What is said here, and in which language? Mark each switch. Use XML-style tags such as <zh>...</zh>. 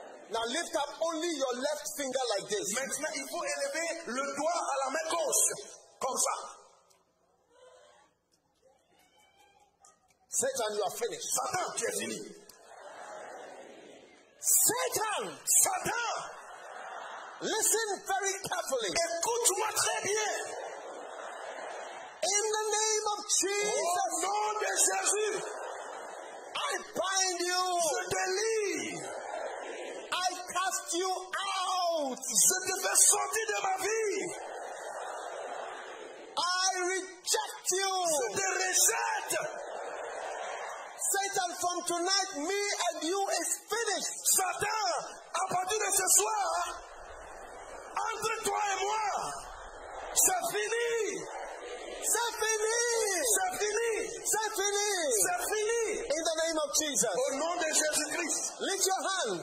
<en>Now lift up only your left finger like this.</en> <fr>Maintenant, il faut élever le doigt à la main gauche. Comme ça.</fr> <en>Satan, you are finished.</en> <fr>Satan, tu es fini.</fr> <en>Satan!</en> <fr>Satan!</fr> <en>Listen very carefully.</en> <fr>Écoute-moi très bien.</fr> <en>In the name of Jesus.</en> <fr>Au nom de Jésus.</fr> <en>I bind you.</en> <fr>Je te lie.</fr> <en>I cast you out.</en> <fr>Je te fais sortir de ma vie.</fr> <en>I reject you.</en> <fr>Je te rejette.</fr> <en>Satan, from tonight, me and you is finished.</en> <fr>Satan, à partir de ce soir, entre toi et moi, c'est fini. C'est fini. C'est fini. C'est fini. C'est fini.</fr> <en>In the name of Jesus.</en> <fr>Au nom de Jésus Christ.</fr> <en>Lift your hand.</en>